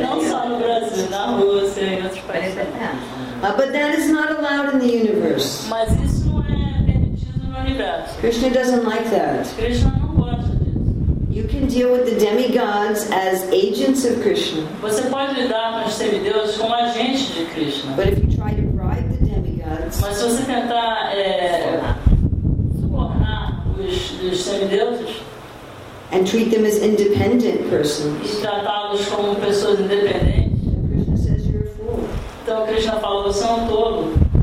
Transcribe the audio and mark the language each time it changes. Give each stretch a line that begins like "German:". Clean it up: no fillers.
Portuguese: Não só no Brasil, na Rússia, em outros países.
English: But that is not allowed in the universe.
Portuguese: Mas isso não é permitido no universo.
English: Krishna doesn't like that.
Portuguese: Krishna não gosta disso.
English: You can deal with the demigods as agents of Krishna.
Portuguese: Você pode lidar com os semideuses como agentes de Krishna.
English: But if you try to bribe the demigods.
Portuguese: Mas se você tentar subornar os semideuses.
English: And treat them as independent persons.
Portuguese: E tratá-los como pessoas independentes.
English: Krishna says you're a fool.
Portuguese: Então Krishna fala, você é um tolo.